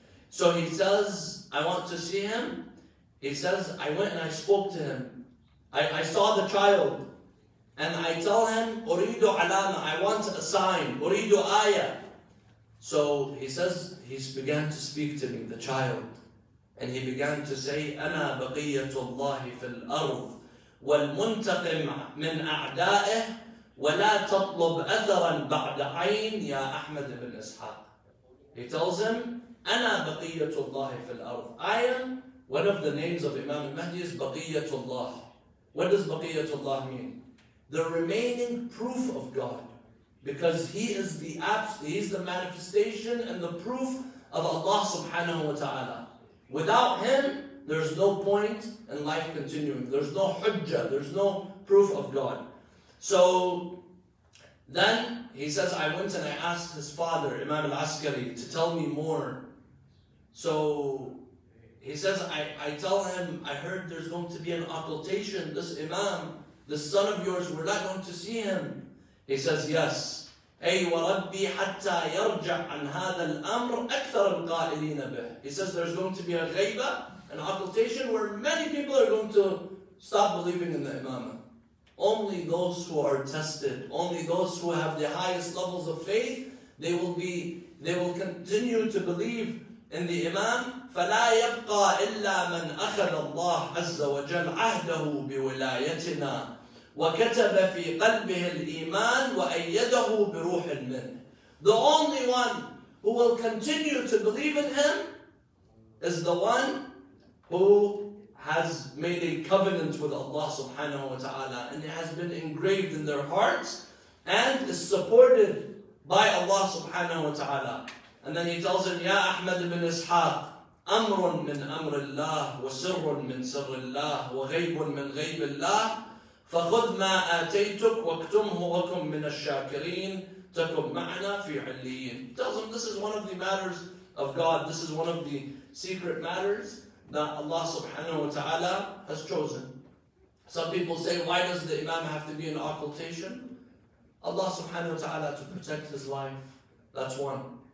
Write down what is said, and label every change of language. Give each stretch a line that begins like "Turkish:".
English: So he says, I want to see him. He says, I went and I spoke to him. I saw the child. And I tell him,
Arabic: أريد علامة,
English: I want a sign.
Arabic: أريد آية.
English: So he says, he began to speak to me, the child. And he began to say,
Arabic: أنا بقية الله في الأرض والمنتقم من أعدائه ولا تطلب أثرا بعد عين يا أحمد بن إسحاق.
English: He tells him,
Arabic: أنا بقية الله في الأرض.
English: I am, one of the names of Imam al-Mahdi is بقية الله. What does بقية الله mean? The remaining proof of God. Because he is the manifestation and the proof of Allah subhanahu wa ta'ala. Without him, there's no point in life continuing. There's no hujjah, there's no proof of God. So then he says, I went and I asked his father, Imam al-Askari, to tell me more. So he says, I tell him, I heard there's going to be an occultation. This Imam, this son of yours, we're not going to see him. He says, yes.
Arabic: أي وربي حتى يرجع عن هذا الأمر أكثر القائلين به.
English: He says, there's going to be a ghaiba, an occultation, where many people are going to stop believing in the Imamah. Only those who are tested, only those who have the highest levels of faith, they will continue to believe in the Imam
Arabic: فلا يبقى إلا من أخذ الله عز وجل عهده بولايتنا وكتب في قلبه الإيمان وأيده بروح منه.
English: The only one who will continue to believe in him is the one who has made a covenant with Allah subhanahu wa ta'ala, and it has been engraved in their hearts and is supported by Allah subhanahu wa ta'ala. And then he tells him,
Arabic: Ya Ahmad ibn Ishaq, أمر من أمر الله وسر من سر الله وغيب من غيب الله فخذ ما آتيتك واكتمه وكن من الشاكرين تكن معنا في عليين.
English: Tells him, this is one of the matters of God, this is one of the secret matters that Allah subhanahu wa ta'ala has chosen. Some people say, why does the Imam have to be in occultation? Allah subhanahu wa ta'ala, to protect his life. That's one.